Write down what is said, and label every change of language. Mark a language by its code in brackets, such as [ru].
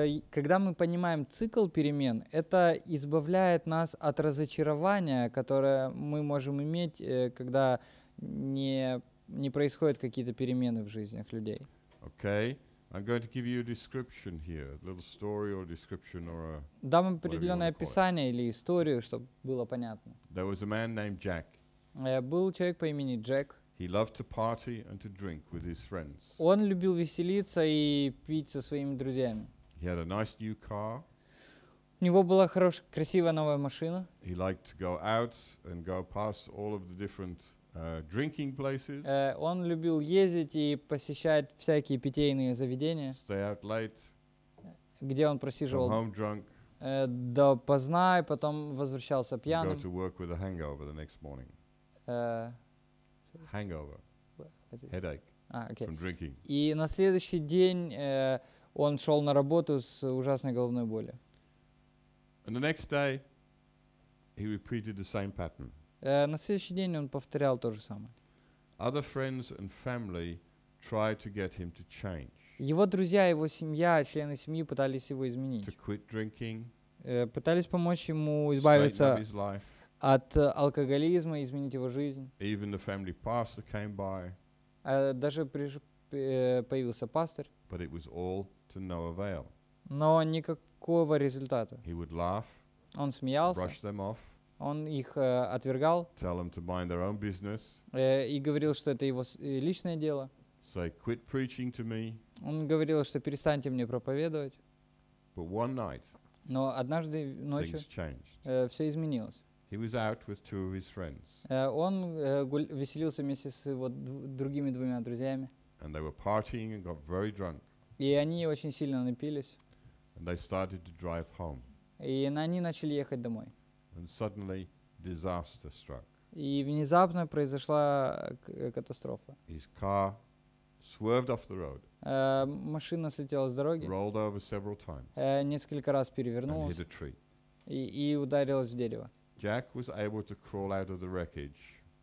[ru] Когда мы понимаем цикл перемен, это избавляет нас от разочарования, которое мы можем иметь, когда не происходят какие-то перемены в жизнях людей. [en] Okay. I'm going to give you a description here, a little story or description or a. [ru] Дам определенное описание или историю, чтобы было понятно. [en] There was a man named Jack. [ru] Был человек по имени Джек. [en] He loved to party and to drink with his friends. [ru] Он любил веселиться и пить со своими друзьями. [en] He had a nice new car. [ru] У него была хорошая, красивая новая машина. [en] He liked to go out and go past all of the different. Drinking places. [ru] Он любил ездить и посещать всякие питейные заведения. [en] Stay out late. [ru] Где он просиживал? [en] Home drunk. [ru] До поздна и потом возвращался пьяным. [en] Go to work with a hangover the next morning. Hangover. Headache. Okay. From drinking. [ru] И на следующий день он шел на работу с ужасной головной болью. [en] And the next day, he repeated the same pattern. [ru] На следующий день он повторял то же самое. [en] Other friends and family tried to get him to change. [ru] Его друзья, его семья, члены семьи пытались его изменить. [en] To quit drinking. [ru] Пытались помочь ему избавиться от алкоголизма, изменить его жизнь. [en] Even the family pastor came by. [ru] Даже появился пастор. [en] But it was all to no avail. [ru] Но никакого результата. [en] He would laugh. [ru] Он смеялся. [en] Brush them off. [ru] Он их отвергал. [en] Tell them to mind their own business. [ru] И говорил, что это его личное дело. [en] Say, quit preaching to me. [ru] Он говорил, что перестаньте мне проповедовать. [en] But one night, [ru] но однажды ночью [en] things changed. [ru] Все изменилось. [en] He was out with two of his friends. [ru] Он веселился вместе с его другими двумя друзьями. [en] And they were partying and got very drunk. [ru] И они очень сильно напились. [en] And they started to drive home. [ru] И они начали ехать домой. [en] And suddenly disaster struck. [ru] И внезапно произошла катастрофа. [en] His car swerved off the road. [ru] Машина слетела с дороги. [en] Rolled over several times. [ru] Несколько раз перевернулась. [en] And hit a tree. [ru] И ударилась в дерево. [en] Jack was able to crawl out of the wreckage.